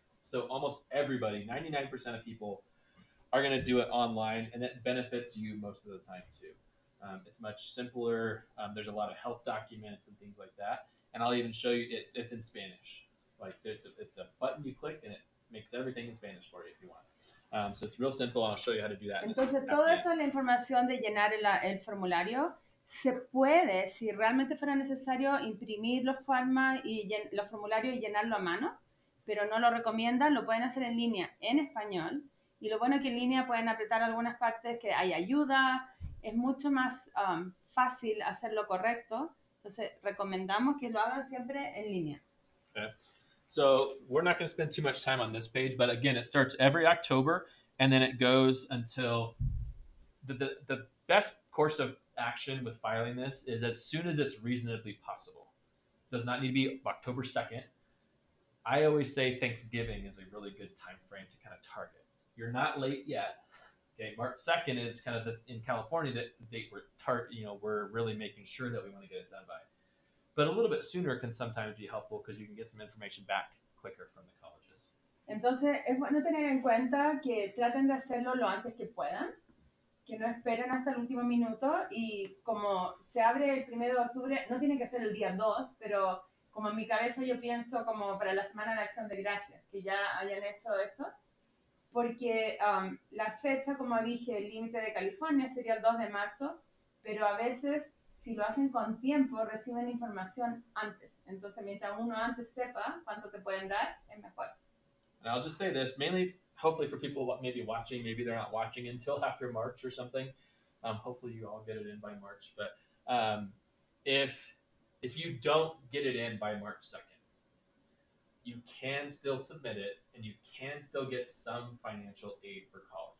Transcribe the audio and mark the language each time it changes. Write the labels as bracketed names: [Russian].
[English] So almost everybody, 99% of people, are going to do it online, and it benefits you most of the time too. It's much simpler. There's a lot of help documents and things like that. And I'll even show you, it's in Spanish. Like it's a button you click and it makes everything in Spanish for you if you want. So it's real simple. I'll show you how to do that. [Spanish] Entonces, todo esto, la información de llenar el formulario, se puede, si realmente fuera necesario, imprimir los formularios y llenarlo a mano, pero no lo recomiendan. Lo pueden hacer en línea en español. Y lo bueno es que en línea pueden apretar algunas partes que hay ayuda. Es mucho más fácil hacer lo correcto. Entonces, recomendamos que lo hagan siempre en línea. [English] Okay. So we're not going to spend too much time on this page, but again, it starts every October and then it goes until the best course of action with filing this is as soon as it's reasonably possible. It does not need to be October 2nd. I always say Thanksgiving is a really good time frame to kind of target. You're not late yet. Okay. March 2nd is kind of in California, that the date we're really making sure that we want to get it done by. But a little bit sooner can sometimes be helpful because you can get some information back quicker from the colleges. [Spanish] Entonces, es bueno tener en cuenta que traten de hacerlo lo antes que puedan, que no esperen hasta el último minuto, y como se abre el 1 de octubre, no tiene que ser el día 2, pero como en mi cabeza yo pienso como para la Semana de Acción de Gracias, que ya hayan hecho esto, porque la fecha, como dije, el límite de California sería el 2 de marzo, pero a veces, si lo hacen con tiempo, reciben información antes. Entonces, mientras uno antes sepa cuánto te pueden dar, es mejor. [English] And I'll just say this, mainly, hopefully for people maybe watching, maybe they're not watching until after March or something. Hopefully you all get it in by March. But if you don't get it in by March 2nd, you can still submit it and you can still get some financial aid for college.